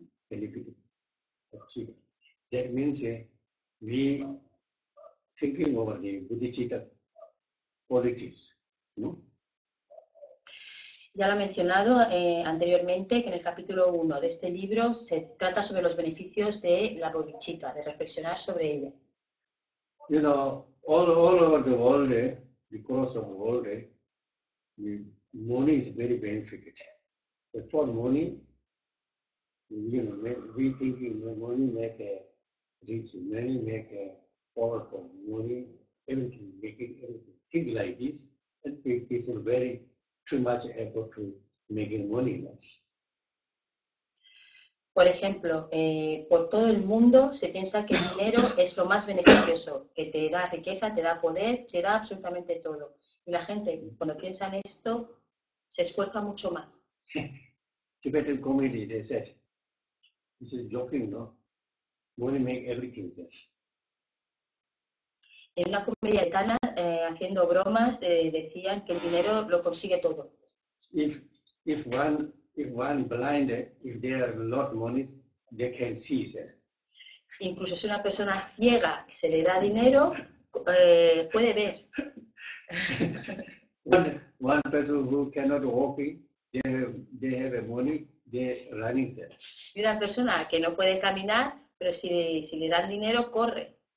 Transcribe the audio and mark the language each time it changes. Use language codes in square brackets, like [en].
[en] Benefit of bodhicitta. That means we thinking over the bodhicitta qualities, no? [es] Ya lo he mencionado anteriormente que en el capítulo 1 de este libro se trata sobre los beneficios de la bodhicitta, de reflexionar sobre ella. [en] You know, All over the world, because of the world, money is very benefited. But for money, you know, we think money make a rich, money make a powerful, money, everything, making everything. Think like this, and people are very, too much effort to make money less. [es] Por ejemplo, por todo el mundo se piensa que el dinero es lo más beneficioso, que te da riqueza, te da poder, te da absolutamente todo. Y la gente, cuando piensa en esto, se esfuerza mucho más. [en] Tibetan comedy, they said. This is joking, no? Money make everything, they said. [es] En una comedia italiana, haciendo bromas, decían que el dinero lo consigue todo. [en] If one blind, if they have a lot of money, they can see it. [es] Incluso si una persona ciega se le da dinero, puede ver. [en] One person who cannot walk, they have money, they running there. [es] Y una persona que no puede caminar, pero si le dan dinero, corre.